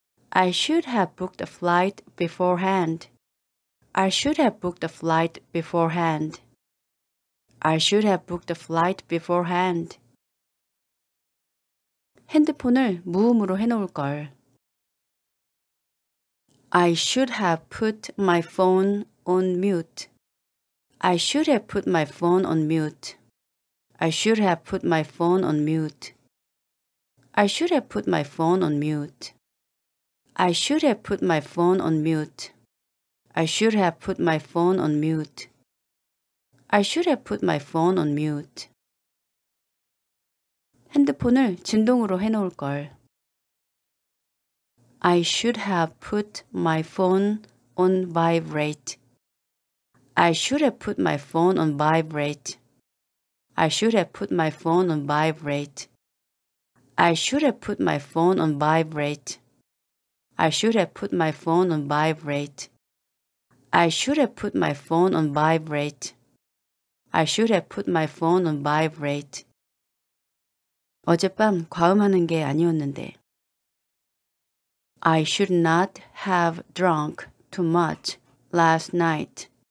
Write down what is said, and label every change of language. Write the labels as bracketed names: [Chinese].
[English] I should have booked a flight beforehand. I should have booked a flight beforehand. I should have booked a flight beforehand. [Korean] 핸드폰을 무음으로 해놓을 걸. [English] I should have put my phone on mute. I should have put my phone on mute. I should have put my phone on mute. I should have put my phone on mute. I should have put my phone on mute. I should have put my phone on mute. I should have put my phone on mute. [Korean] 핸드폰을 진동으로 해놓을 걸. [English] I should have put my phone on vibrate. I should have put my phone on vibrate. I should have put my phone on vibrate. I should have put my phone on vibrate. I should have put my phone on vibrate. I should have put my phone on vibrate. I should have put my phone on vibrate. [Korean] 어젯밤 과음하는 게 아니었는데. [English] I should not have drunk too much last night.